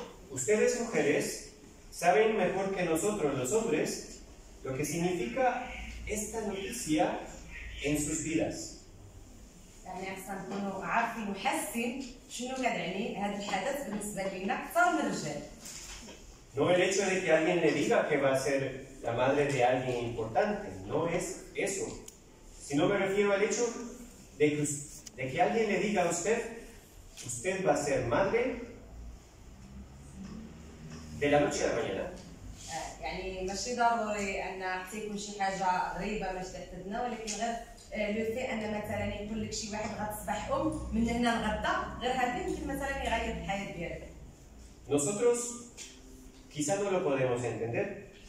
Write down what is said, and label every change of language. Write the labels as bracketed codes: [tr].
[es] Ustedes, mujeres, saben mejor que nosotros, los hombres, lo que significa esta noticia en sus vidas. [ar] يعني أحسن كونوا عارفين وحاسين شنو كتعني هذا الحدث بالنسبة لينا أكثر من الرجال. [es] No el hecho de que alguien le diga que va a ser la madre de alguien importante, no es eso. Sino me refiero al hecho de que alguien le diga a usted, usted va a ser madre de la noche a la mañana. [ar] يعني ماشي ضروري أن تكون شي حاجة غريبة مش تحتدنا ولكن غير لو في ان مثلا يقول لك شي واحد غتصبح ام من هنا لغدا غير هذا يمكن مثلا يغير الحياه ديالك. [es] Nosotros quizá no lo podemos entender.